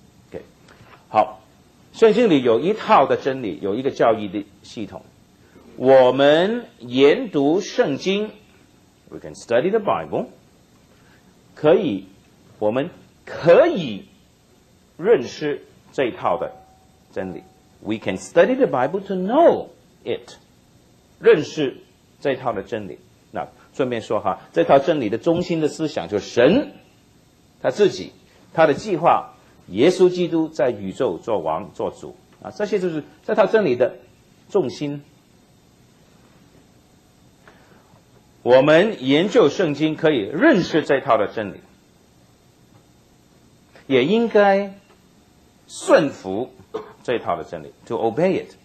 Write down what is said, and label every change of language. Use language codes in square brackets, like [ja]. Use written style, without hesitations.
[zh] OK， 好，圣经里有一套的真理，有一个教义的系统。我们研读圣经， [en] We can study the Bible， [zh] 我们可以认识这一套的真理。 [en] We can study the Bible to know it， [zh] 认识这一套的真理。那顺便说哈，这套真理的中心的思想就是神他自己，他的计划，耶稣基督在宇宙做王做主啊，这些就是这套真理的重心。我们研究圣经可以认识这套的真理，也应该顺服这一套的真理， [en] to obey it。